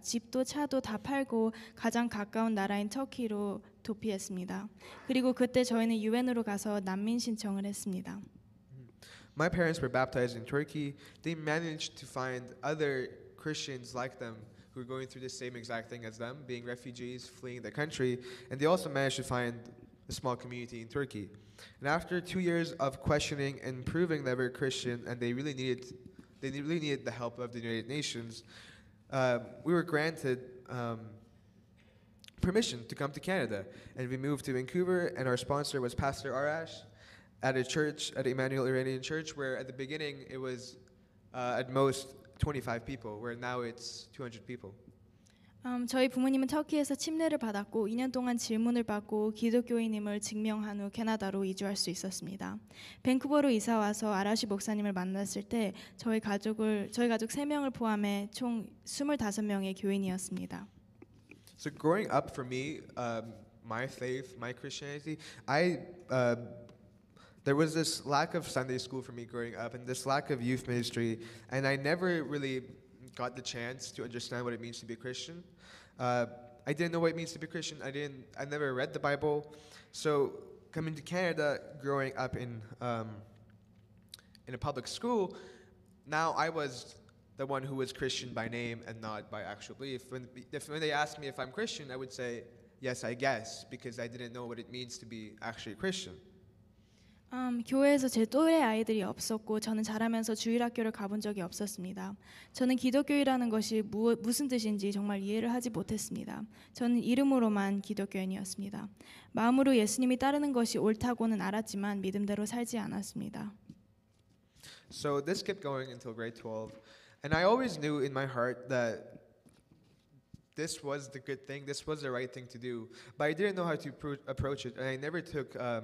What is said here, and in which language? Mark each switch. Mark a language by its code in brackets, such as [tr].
[ko] 집도 차도 다 팔고 가장 가까운 나라인 터키로 도피했습니다. 그리고 그때 저희는 UN으로 가서 난민 신청을 했습니다. [en] My parents were baptized in Turkey. They managed to find other Christians like them who were going through the same exact thing as them, being refugees fleeing the country, and they also managed to find a small community in Turkey. And after 2 years of questioning and proving they were Christian and they really needed the help of the United Nations, we were granted permission to come to Canada. And we moved to Vancouver, and our sponsor was Pastor Arash at a church, at Emmanuel Iranian Church, where at the beginning it was at most 25 people, where now it's 200 people. [ko] 저희 부모님은 터키에서 침례를 받았고 2년 동안 질문을 받고 기독교인임을 증명한 후 캐나다로 이주할 수 있었습니다. 밴쿠버로 이사 와서 아라시 목사님을 만났을 때 저희 가족 3명을 포함해 총 25명의 교인이었습니다. [en] So growing up for me, my faith, my Christianity, there was this lack of Sunday school for me growing up and this lack of youth ministry, and I never really got the chance to understand what it means to be a Christian. I didn't know what it means to be a Christian. I never read the Bible. So coming to Canada, growing up in a public school, now I was the one who was Christian by name and not by actual belief. When they asked me if I'm Christian, I would say, yes, I guess, because I didn't know what it means to be actually a Christian. [ko] 교회에서 제 또래 아이들이 없었고 저는 자라면서 주일학교를 가본 적이 없었습니다. 저는 기독교이라는 것이 무슨 뜻인지 정말 이해를 하지 못했습니다. 저는 이름으로만 기독교인이었습니다. 마음으로 예수님이 따르는 것이 옳다고는 알았지만 믿음대로 살지 않았습니다. [en] So this kept going until grade 12. And I always knew in my heart that this was the good thing, this was the right thing to do. But I didn't know how to approach it, and I never took...